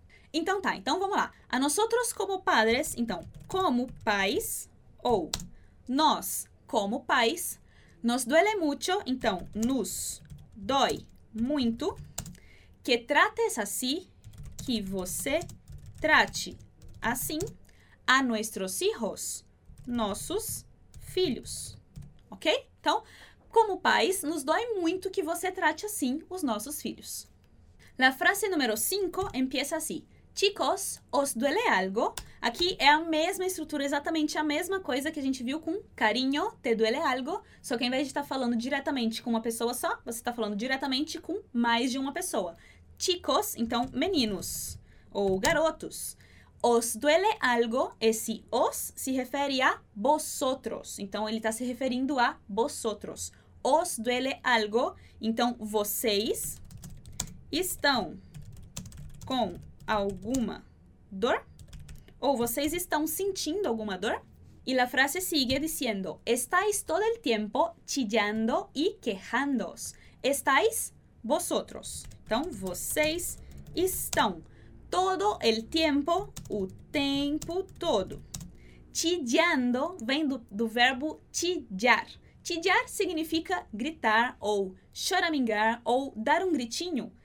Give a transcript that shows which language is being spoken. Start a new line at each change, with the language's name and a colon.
Portuguese: Então tá, então vamos lá.
Spanish: A nosotros como padres,
Portuguese: então, como pais, ou nós como pais,
Spanish: nos duele mucho,
Portuguese: então, nos dói muito,
Spanish: que trates así,
Portuguese: que você trate assim,
Spanish: a nuestros hijos,
Portuguese: nossos filhos, ok? Então, como pais, nos dói muito que você trate assim os nossos filhos.
Spanish: La frase número 5 empieza así. Chicos, os duele algo?
Portuguese: Aqui é a mesma estrutura, exatamente a mesma coisa que a gente viu com cariño, te duele algo. Só que ao invés de estar falando diretamente com uma pessoa só, você está falando diretamente com mais de uma pessoa. Chicos, então meninos ou garotos.
Spanish: Os duele algo,
Portuguese: esse os se refere a vosotros. Então, ele está se referindo a vosotros.
Spanish: Os duele algo,
Portuguese: então vocês estão com alguma dor? Ou vocês estão sentindo alguma dor? E a frase sigue dizendo,
Spanish: estáis todo el tiempo chillando y quejándoos. Estáis vosotros.
Portuguese: Então, vocês estão
Spanish: todo el tiempo,
Portuguese: o tempo todo. Chillando vem do verbo chillar. Chillar significa gritar ou choramingar ou dar um gritinho.